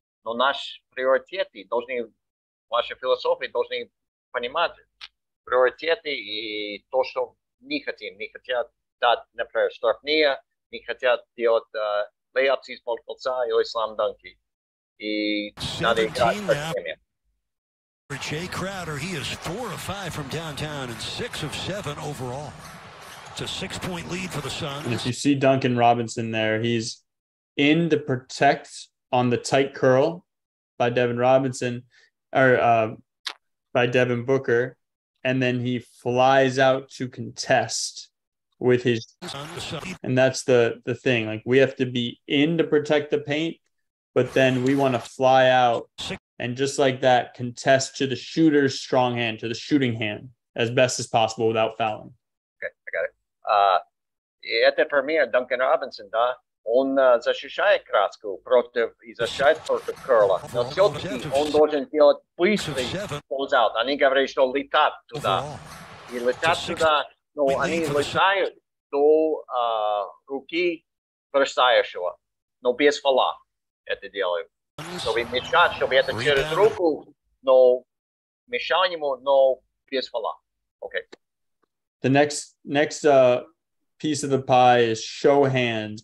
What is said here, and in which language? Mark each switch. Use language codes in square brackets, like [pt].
[ru] Но наши приоритеты должны, ваши философии должны понимать приоритеты и то, что не хотим. Не хотят дать, например, штрафные, не хотят делать лейапсы из полкольца или сламданки. И надо играть со всеми. [en] Jay Crowder, he is 4 of 5 from downtown and 6 of 7 overall. It's a 6-point lead for the Suns. And if you see Duncan Robinson there, he's in to protect on the tight curl by Devin Robinson, or by Devin Booker, and then he flies out to contest with his. And that's the thing. Like, we have to be in to protect the paint, but then we want to fly out. And just like that, contest to the shooter's strong hand, to the shooting hand, as best as possible without fouling. Okay, I got it. [ru] Это про меня, Дункан Робинсон, да? Он защищает краску против, и защищает против Керла. Но все-таки он должен делать быстрый close-out. Они говорят, что летят туда. И летят туда, но они летают до руки бросающего. Но без фола это делают. Чтобы мешать, чтобы это через руку, но мешал ему, но без фола. [en] Okay. The next piece of the pie is show hands.